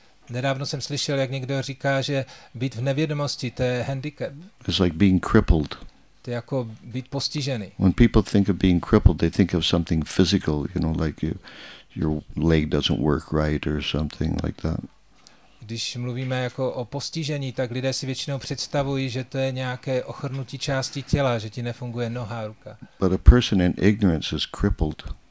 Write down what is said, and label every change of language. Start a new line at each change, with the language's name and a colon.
Czech: Nedávno jsem slyšel, jak někdo říká, že být v nevědomosti to je handicap.
English: It's like being crippled.
Czech: To je jako být postižený.
English: When people think of being crippled, they think of something physical, you know, like your leg doesn't work right or something like that.
Czech: Když mluvíme jako o postižení, tak lidé si většinou představují, že to je nějaké ochrnutí části těla, že ti nefunguje noha, ruka.
English: But a person in ignorance is crippled.